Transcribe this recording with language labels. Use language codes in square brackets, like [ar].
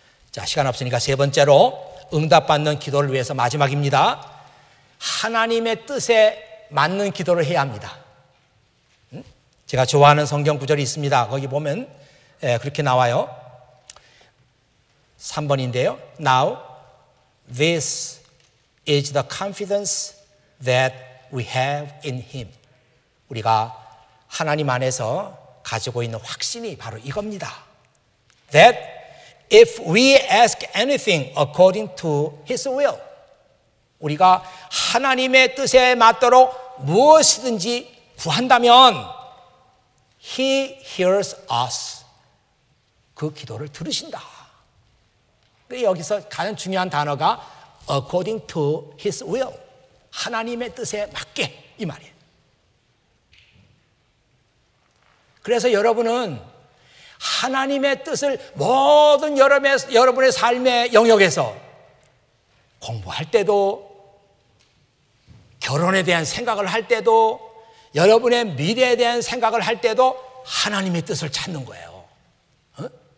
[ko] 자, 시간 없으니까 세 번째로 응답받는 기도를 위해서 마지막입니다. 하나님의 뜻에 맞는 기도를 해야 합니다. 제가 좋아하는 성경 구절이 있습니다. 거기 보면 그렇게 나와요. 3번인데요. [en] Now This is the confidence that we have in Him. [ko] 우리가 하나님 안에서 가지고 있는 확신이 바로 이겁니다. [en] That if we ask anything according to His will, [ko] 우리가 하나님의 뜻에 맞도록 무엇이든지 구한다면 [en] He hears us. [ko] 그 기도를 들으신다. 여기서 가장 중요한 단어가 [en] according to his will [ko] 하나님의 뜻에 맞게 이 말이에요. 그래서 여러분은 하나님의 뜻을 모든 여러분의 삶의 영역에서 공부할 때도 결혼에 대한 생각을 할 때도 여러분의 미래에 대한 생각을 할 때도 하나님의 뜻을 찾는 거예요. 어?